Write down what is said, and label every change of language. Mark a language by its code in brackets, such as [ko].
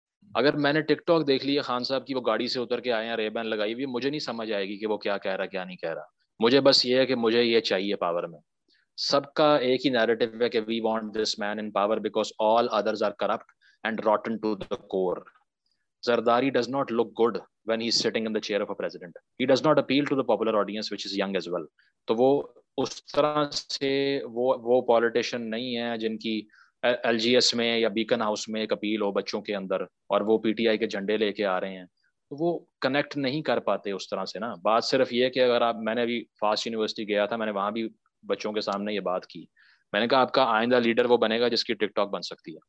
[ur] اگر میں نے ٹک ٹاک دیکھ لی ہے خان صاحب کی, وہ گاڑی سے اتر کے آئے ہیں, ریبین لگائی ہوئی, مجھے نہیں سمجھ آئے گی کہ وہ کیا کہہ رہا کیا نہیں کہہ رہا. مجھے بس یہ ہے کہ مجھے یہ چاہیے پاور میں. سب کا ایک ہی نیریٹو ہے کہ [en] We want this man in power because all others are corrupt and rotten to the core. Zardari does not look good when he is sitting in the chair of a president, he does not appeal to the popular audience which is young as well. [ur] تو وہ اس طرح سے وہ politician نہیں ہے جن کی L جی S میں یا بیکن ہاؤس میں ایک اپیل ہو بچوں کے اندر اور وہ پی ٹی آئی کے جھنڈے لے کے آ رہے ہیں, وہ کنیکٹ نہیں کر پاتے اس طرح سے نا. بات صرف یہ کہ اگر آپ, میں نے ابھی فاسٹ یونیورسٹی گیا تھا, میں نے وہاں بھی بچوں کے سامنے یہ بات کی, میں نے کہا آپ کا آئندہ لیڈر وہ بنے گا جس کی ٹک ٹاک بن سکتی ہے.